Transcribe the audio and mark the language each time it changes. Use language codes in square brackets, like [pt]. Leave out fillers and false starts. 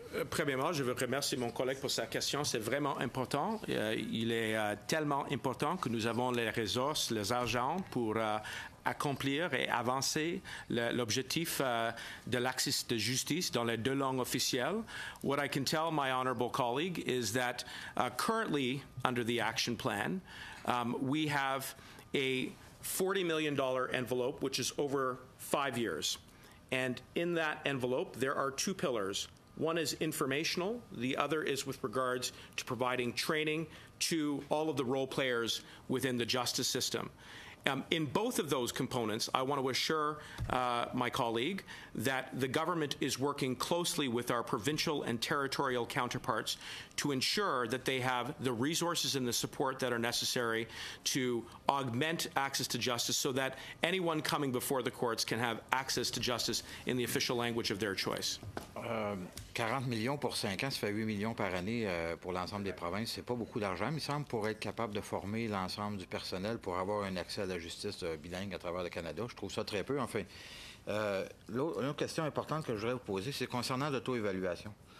[fr] Premièrement, je veux remercier mon collègue pour sa question. C'est vraiment important. Il est tellement important que nous avons les ressources, les argent pour accomplir et avancer l'objectif de l'accès de justice dans les deux langues officielles. [en] What I can tell my honorable colleague is that currently under the action plan, we have a $40 million envelope, which is over 5 years. And in that envelope, there are two pillars. One is informational, the other is with regards to providing training to all of the role players within the justice system. In both of those components, I want to assure my colleague that the government is working closely with our provincial and territorial counterparts to ensure that they have the resources and the support that are necessary to augment access to justice so that anyone coming before the courts can have access to justice in the official language of their choice. [fr] 40 millions pour 5 ans, ça fait 8 millions par année pour l'ensemble des provinces. C'est pas beaucoup d'argent, mais il semble, pour être capable de former l'ensemble du personnel pour avoir un accès à la justice bilingue à travers le Canada. Je trouve ça très peu. Enfin, l'autre question importante que je voudrais vous poser, c'est concernant l'auto-évaluation.